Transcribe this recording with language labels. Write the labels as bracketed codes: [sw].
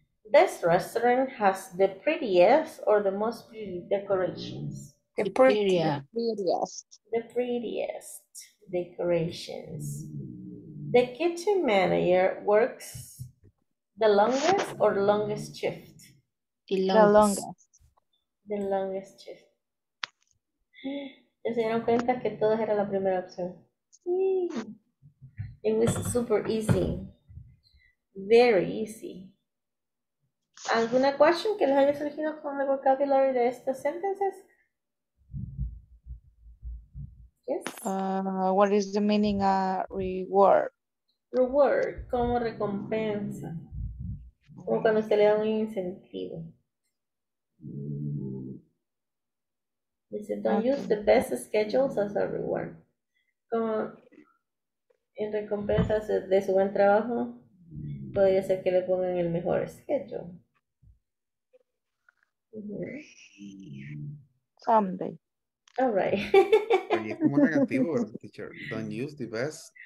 [en] This restaurant has the prettiest or the most pretty decorations? The prettiest. The prettiest. The prettiest decorations. The kitchen manager works the longest or longest shift? The longest. The longest shift. [es] ¿Ya se dieron cuenta que todas eran la primera opción? Sí. [en] It was super easy. Very easy. [es] ¿Alguna question que les haya surgido con el vocabulary de estas sentences? [en] Yes. What is the meaning of reward? [es] Reward, como recompensa. Como cuando usted le da un incentivo. [en] Dice, don't use the best schedules as a reward. [es] Como en recompensa de su buen trabajo, podría ser que le pongan el mejor schedule. [en] Someday. All right. [es] Como negativo, teacher. [en] Don't use the best.